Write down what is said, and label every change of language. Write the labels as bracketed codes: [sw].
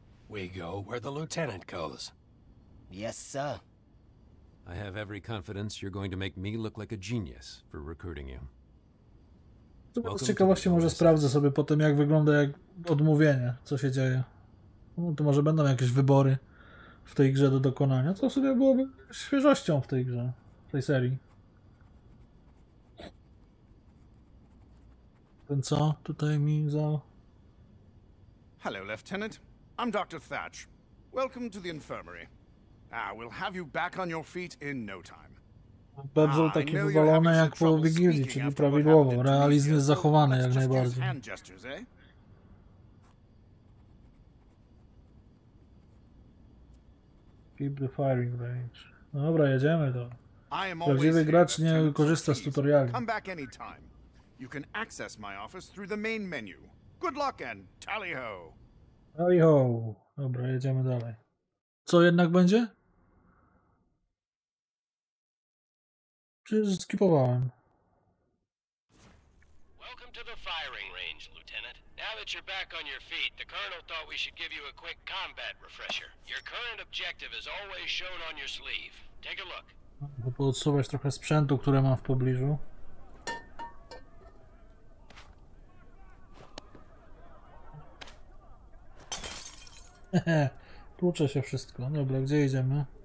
[en] We go where the lieutenant goes. Yes, sir. I have every confidence you're going to make me look like a genius for recruiting you. [pl] Z ciekawości może sprawdzę sobie potem, jak wygląda jak odmówienie, co się dzieje. No, to może będą jakieś wybory w tej grze do dokonania, co sobie byłoby świeżością w tej grze, w tej serii. Ten co tutaj mi za... [en] Hello, lieutenant. I'm Dr. Thatch. Welcome to the infirmary. Ah, we'll have you back on your feet in no time. [pl] Bebzel taki wywalony jak po Wigilii, czyli prawidłowo. Realizm jest zachowany jak najbardziej. [en] Keep the firing range. [pl] No dobra, jedziemy to. Prawdziwy gracz nie korzysta z tutoriali. [en] Come back anytime. You can access my office through the main menu. Good luck and tally-ho! [pl] No i ho, dobra, jedziemy dalej. Co jednak będzie? Przecież skipowałem. [en] Welcome to the firing range, Lieutenant. Now that you're back on your feet, the Colonel thought we should give you a quick combat refresher. Your current objective is always shown on your sleeve. Take a look. [pl] Muszę odsuwać trochę sprzętu, które mam w pobliżu. Tłucze się wszystko. Dobra, gdzie idziemy?